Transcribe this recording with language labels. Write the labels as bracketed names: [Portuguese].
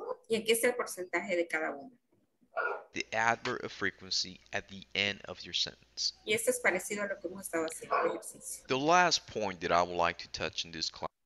[Spanish] Y aquí está el porcentaje de cada uno. [English] The adverb of frequency at the end of your sentence. [Spanish] Y esto es parecido a lo que hemos estado haciendo en el ejercicio. [English] The last point that I would like to touch in this class.